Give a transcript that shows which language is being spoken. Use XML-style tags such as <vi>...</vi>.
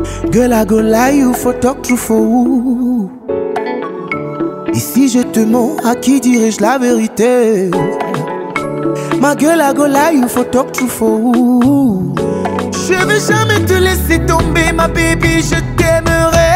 <pcm>Girl, I go lie you for talk true for who.</pcm> <fr>Et si je te mens, à qui dirais-je la vérité?</fr> <pcm>My girl, I go lie you for talk true for who.</pcm> <fr>Je veux jamais te laisser tomber, ma baby, je t'aimerai.</fr>